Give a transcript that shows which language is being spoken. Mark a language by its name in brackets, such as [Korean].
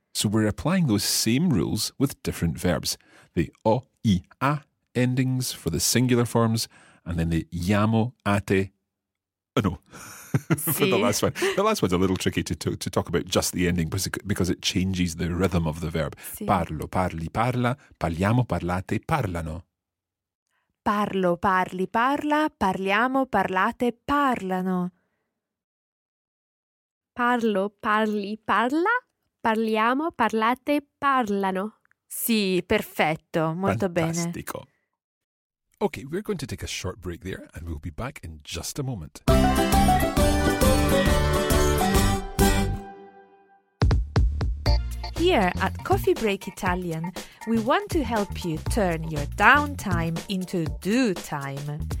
[English] So we're applying those same rules with different verbs. The o, I, a endings for the singular forms, and then the iamo, ate, oh no, [Italian] si. [English] For the last one. The last one's a little tricky to talk about just the ending because it changes the rhythm of the verb. [Italian] Si. Parlo, parli, parla, parliamo, parlate, parlano. Parlo, parli, parla, parliamo, parlate, parlano. Parlo, parli, parla, parliamo, parlate, parlano. Sì, perfetto. Molto bene. Fantastico. [English] Okay, we're going to take a short break there and we'll be back in just a moment. Here at Coffee Break Italian, we want to help you turn your downtime into do time.